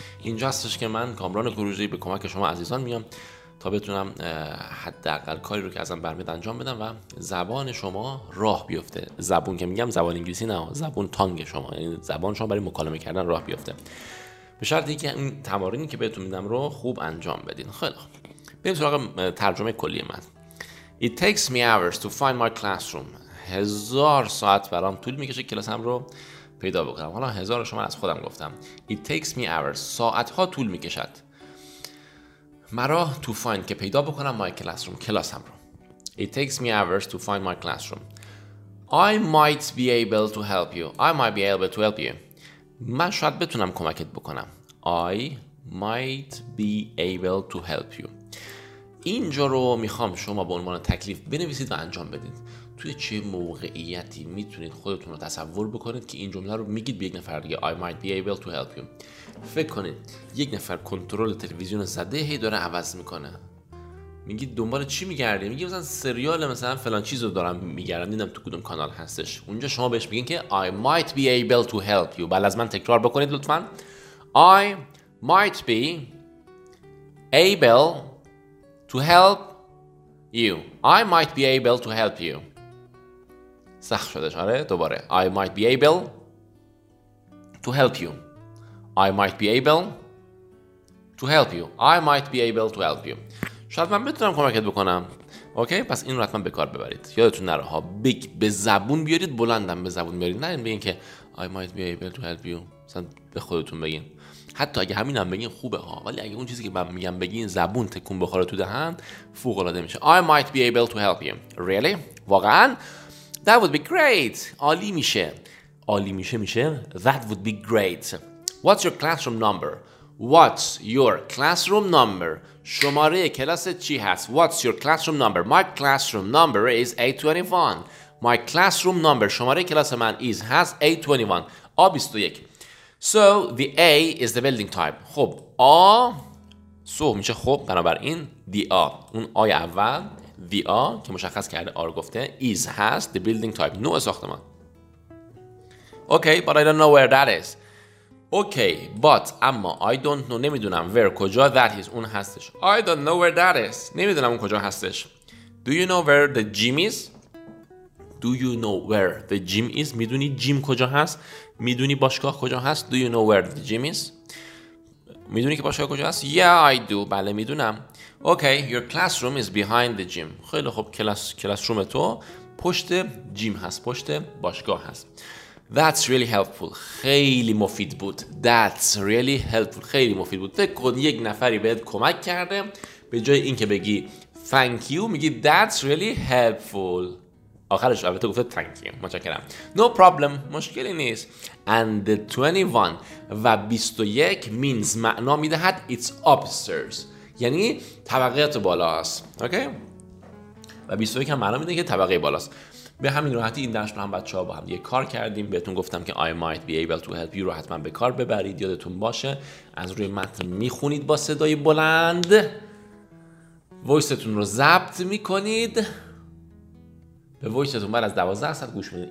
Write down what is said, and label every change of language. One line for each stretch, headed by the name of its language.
Persian: اینجا هستش که من کامران گروژی به کمک شما عزیزان میام تا بتونم حداقل کاری رو که ازم برمیاد انجام بدم و زبان شما راه بیفته. زبون که میگم زبان انگلیسی نه، زبون تانگ شما، یعنی زبان شما برای مکالمه کردن راه بیفته، به شرطی که این تمارینی که بهتون میدم رو خوب انجام بدین. خیلی خب بریم سراغ ترجمه کلی من.
English: It takes me hours to find my classroom.
Persian: هزار ساعت برام طول میکشه کلاسم رو پیدا بکنم. حالا هزار شما از خودم گفتم.
English: It takes me hours.
Persian: ساعتها طول میکشد. مرا
English: to find
Persian: که پیدا بکنم
English: my classroom.
Persian: کلاسم رو.
English: It takes me hours to find my classroom. I might be able to help you. I might be able to help you.
Persian: من شاید بتونم کمکت بکنم.
English: I might be able to help you.
Persian: اینجا رو میخوام شما به عنوان تکلیف بنویسید و انجام بدید. توی چه موقعیتی میتونید خودتون رو تصور بکنید که این جمله رو میگید به یک نفر دیگه؟
English: I might be able to help you.
Persian: فکر کنید یک نفر کنترل تلویزیون زده هی داره عوض میکنه. میگید دنبال چی میگردی؟ میگه مثلا سریال مثلا فلان چیز رو دارم میگردم، دیدم تو کدوم کانال هستش. اونجا شما بهش میگین که
English: I might be able to help you.
Persian: بعد از من تکرار بکنید لطفاً.
English: I might be able to help You. I might be able to help you.
Persian: سخت شدش. آره دوباره.
English: I might be able to help you. I might be able to help you. I might be able to help you.
Persian: شاید من بتونم کمکت بکنم. اوکی؟ پس این رو حتما به کار ببرید. یادتون نره ها. بگ به زبون بیارید. بلندم به زبون بیارید. نه این بگین که I might be able to help you. مثلا به خودتون بگین. حتی اگه همین هم بگین خوبه ها. ولی اگه اون چیزی که من میگم بگین زبون تکون بخوره تو دهن فوق العاده میشه.
English: I might be able to help you. Really?
Persian: واقعا؟
English: That would be great.
Persian: عالی میشه. عالی میشه میشه.
English: That would be great. What's your classroom number? What's your classroom number?
Persian: شماره کلاست چی هست؟
English: What's your classroom number? My classroom number is 821. My classroom number
Persian: شماره کلاس من
English: is has 821. A21. So the A is the building type.
Persian: خب A سو میشه خب بنابراین the A اون آی اول the A که مشخص کرده آر گفته
English: is has the building type
Persian: نوع ساختمان.
English: Okay, but I don't know where that is. Okay, but
Persian: اما
English: I don't know
Persian: نمیدونم
English: where
Persian: کجا
English: that is
Persian: اون هستش.
English: I don't know where that is.
Persian: نمیدونم اون کجا هستش.
English: Do you know where the gym is? Do you know where the gym is?
Persian: میدونی جیم کجا هست؟ میدونی باشگاه کجا هست؟
English: Do you know where the gym is?
Persian: میدونی که باشگاه کجا هست؟
English: Yeah, I do.
Persian: بله میدونم.
English: Okay, your classroom is behind the gym.
Persian: خیلی خوب کلاسروم تو پشت جیم هست، پشت باشگاه هست.
English: That's really helpful.
Persian: خیلی مفید بود.
English: That's really helpful. خیلی مفید بود.
Persian: فکر کن یک نفری بهت کمک کرده. به جای اینکه بگی thank you میگی
English: that's really helpful.
Persian: آخرش البته گفته thank you. متشکرم.
English: No problem.
Persian: مشکلی نیست.
English: And the 21
Persian: و 21
English: means
Persian: معنا میدهد
English: it's upstairs.
Persian: یعنی طبقات بالاست. Okay? و 21 هم معنا میده که طبقه بالاست. به همین راحتی این درس رو هم بچه ها با هم یه کار کردیم. بهتون گفتم که
English: I might be able to help you
Persian: رو حتما به کار ببرید. یادتون باشه از روی متن میخونید با صدای بلند، ویستتون رو ضبط میکنید، به ویستتون بعد از 12 ساعت گوش میدید.